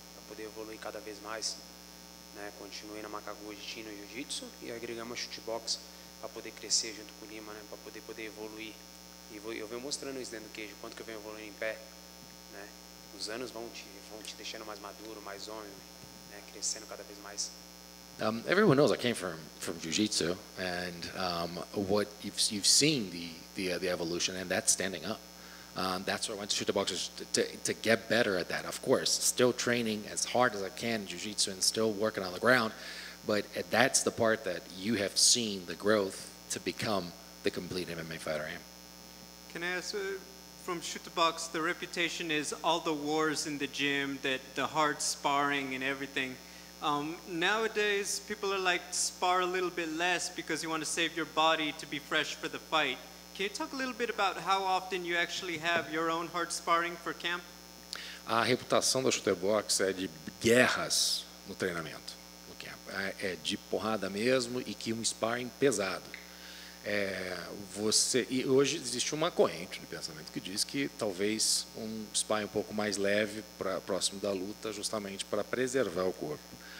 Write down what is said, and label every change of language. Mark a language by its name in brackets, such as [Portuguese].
[Portuguese] Para poder evoluir cada vez mais, né? Continuei na Makaguchi no jiu-jitsu e agregamos jiu-jitsu para poder crescer junto com o Lima, né? Para poder evoluir. E eu venho mostrando isso dentro do queijo, quanto que eu venho evoluindo em pé, né? Os anos vão te deixando mais maduro, mais homem, né? Crescendo cada vez mais. [English] Everyone knows I came from jiu-jitsu, and what you've seen the evolution, and that's standing up. That's where I went to shoot the boxers to get better at that. Of course, still training as hard as I can in jiu-jitsu and still working on the ground, but that's the part that you have seen the growth to become the complete MMA fighter I am. Can I ask, from shoot the box, the reputation is all the wars in the gym, that the hard sparring and everything. Nowadays, people are like, spar a little bit less because you want to save your body to be fresh for the fight. Can you talk a little bit about how often you actually have your own hard sparring for camp? [Portuguese] A reputação do shooter box é de guerras no treinamento, no camp. É de porrada mesmo e que sparring pesado. E hoje existe uma corrente de pensamento que diz que talvez sparring um pouco mais leve para próximo da luta, justamente para preservar o corpo.